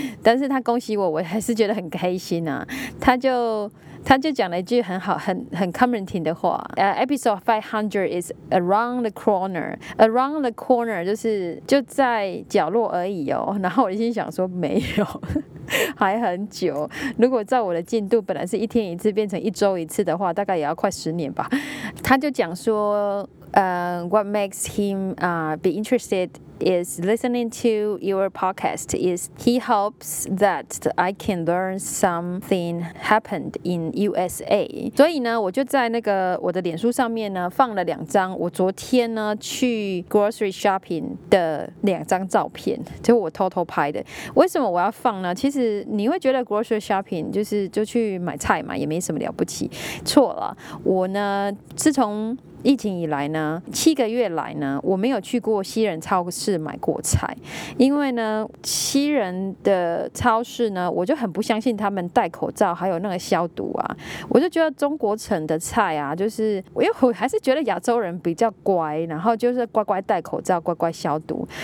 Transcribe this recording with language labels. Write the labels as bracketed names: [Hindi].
[Chinese] 但是他恭喜我，我还是觉得很开心啊。他就讲了一句很好很 commenting 的话， [English] episode 500 is around the corner， around the corner [Chinese] 就是就在角落而已哦。然后我心想说没有，还很久，如果照我的进度本来是一天一次变成一周一次的话，大概也要快十年吧。他就讲说 [English] what makes him be interested is listening to your podcast is he hopes that I can learn something happened in USA. [Chinese] 所以呢，我就在那个我的脸书上面呢放了两张我昨天呢去 grocery shopping 的两张照片，就我偷偷拍的。为什么我要放呢？其实你会觉得 grocery shopping 就去买菜嘛，也没什么了不起。错了，我呢自从疫情以来呢，七个月来呢，我没有去过西人超市买过菜，因为呢，西人的超市呢，我就很不相信他们戴口罩，还有那个消毒啊，我就觉得中国城的菜啊，就是因为我还是觉得亚洲人比较乖，然后就是乖乖戴口罩，乖乖消毒。